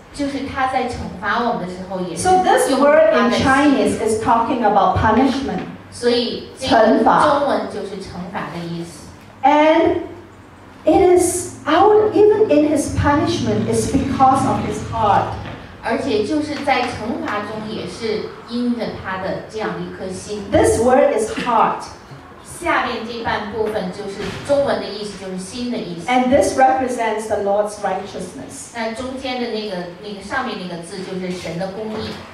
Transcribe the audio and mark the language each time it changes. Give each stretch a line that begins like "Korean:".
Chinese: 就是他在惩罚我们的时候也。
English: So this word in Chinese is talking about punishment.
Chinese: 所以惩罚。中文就是惩罚的意思。
English: And it is out, even in his punishment, is because of his heart.
Chinese: 而且就是在惩罚中也是因着他的这样一颗心。
English: This word is heart.
Chinese: 下面这半部分就是中文的意思，就是心的意思。
English: And this represents the Lord's righteousness.
Chinese: 那中间的那个上面那个字就是神的公义。